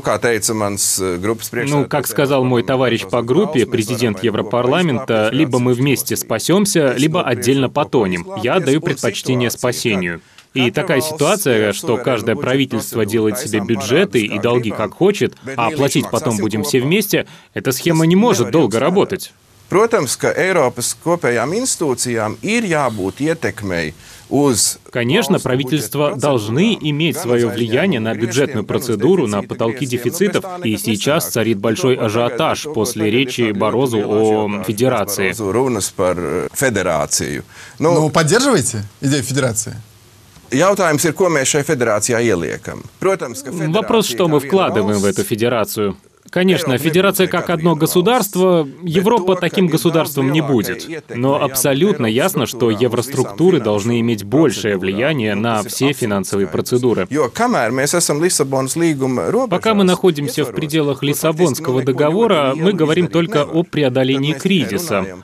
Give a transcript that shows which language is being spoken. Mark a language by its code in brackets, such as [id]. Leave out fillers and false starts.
[ru] как сказал мой товарищ по группе, президент Европарламента, либо мы вместе спасемся, либо отдельно потонем. Я даю предпочтение спасению. И такая ситуация, что каждое правительство делает себе бюджеты и долги как хочет, а платить потом будем все вместе, эта схема не может долго работать. [lv] Protams, ka Eiropas kopējām institūcijām ir jābūt ietekmei uz... [ru] Конечно, правительства должны иметь свое влияние на бюджетную процедуру, на потолки дефицитов, и сейчас царит большой ажиотаж после речи Барозу о федерации. [lv] Рунас пар федерацию. [ru] Ну, поддерживаете идею федерации? [lv] Jautājums ir, ko mēs šai federācijā ieliekam. Protams, ka federācija... [ru] Вопрос, что мы вкладываем в эту федерацию? Конечно, федерация как одно государство, Европа таким государством не будет. Но абсолютно ясно, что евроструктуры должны иметь большее влияние на все финансовые процедуры. Пока мы находимся в пределах Лиссабонского договора, мы говорим только о преодолении кризиса.